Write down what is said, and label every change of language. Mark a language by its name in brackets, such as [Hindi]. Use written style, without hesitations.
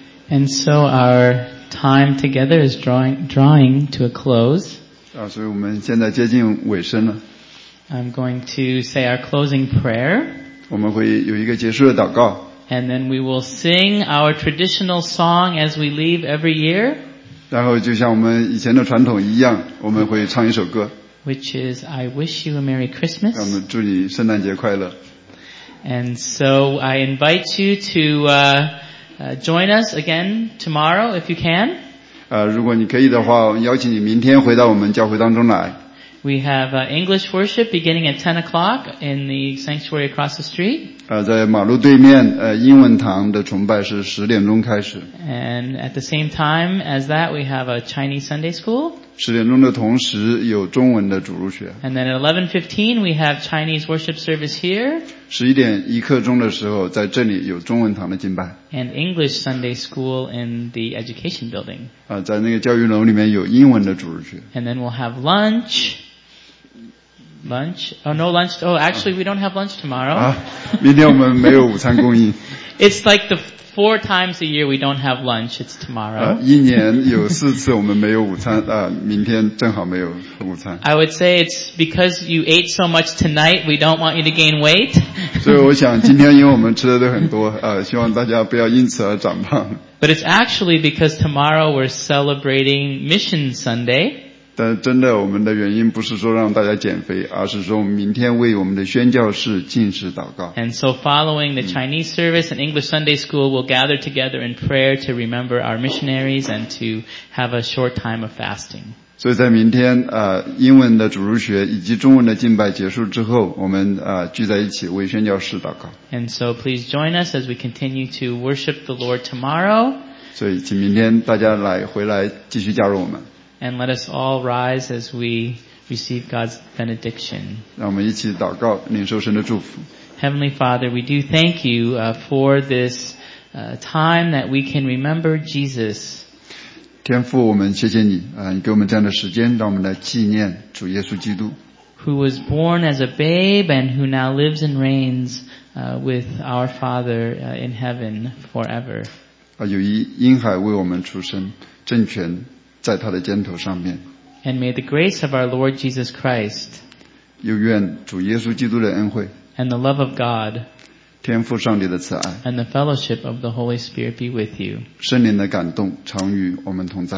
[English] And so our time together is drawing to a close. [Chinese] 所以我们现在接近尾声了。 [English] I'm going to say our closing prayer. [Chinese] 我们会有一个结束的祷告。 [English] And then we will sing our traditional song as we leave every year. [Chinese] 然后就像我们以前的传统一样，我们会唱一首歌。 [English] Which is, I wish you a Merry Christmas. [Chinese] 让我们祝你圣诞节快乐。 [English] And so I invite you to join us again tomorrow if you can. [Chinese] 如果你可以的话，邀请你明天回到我们教会当中来。 [English] We have English worship beginning at 10 o'clock in the sanctuary across the street. [Chinese] 在马路对面，英文堂的崇拜是十点钟开始。 [English] And at the same time as that, we have a Chinese Sunday school. [Chinese] 十点钟的同时有中文的主入学。 [English] And then at 11:15, we have Chinese worship service here. [Chinese] 11点一刻钟的时候，在这里有中文堂的敬拜。 [English] And English Sunday school in the education building. [Chinese] 在那个教育楼里面有英文的主入学。 [English] And then we'll have lunch. Lunch? Oh, no lunch. Oh, actually, we don't have lunch tomorrow. [Chinese] 明天我们没有午餐供应。 [English] It's like the four times a year we don't have lunch. It's tomorrow. [Chinese] 一年有四次我们没有午餐，明天正好没有午餐。 [English] I would say it's because you ate so much tonight, we don't want you to gain weight. [Chinese] 所以我想今天因为我们吃的都很多，希望大家不要因此而长胖。 [English] But it's actually because tomorrow we're celebrating Mission Sunday. [Chinese] 但真的我们的原因不是说让大家减肥而是说我们明天为我们的宣教士进食祷告 [English] And so following the Chinese service and English Sunday school we'll gather together in prayer to remember our missionaries and to have a short time of fasting [Chinese] 所以在明天英文的主入学以及中文的敬拜结束之后我们聚在一起为宣教士祷告 [English] And so please join us as we continue to worship the Lord tomorrow [Chinese] 所以请明天大家来回来继续加入我们 [English] And let us all rise as we receive God's benediction. [Chinese] 让我们一起祷告，领受神的祝福。 [English] Heavenly Father, we do thank you for this time that we can remember Jesus. [Chinese] 天父，我们谢谢你，你给我们这样的时间，让我们来纪念主耶稣基督。 [English] Who was born as a babe and who now lives and reigns with our Father in heaven forever. [Chinese] 有婴孩为我们出生，政权。在他的肩头上面 [English] And may the grace of our Lord Jesus Christ [Chinese] 又愿主耶稣基督的恩惠 [English] And the love of God [Chinese] 天父上帝的慈爱 [English] And the fellowship of the Holy Spirit be with you [Chinese] 圣灵的感动常与我们同在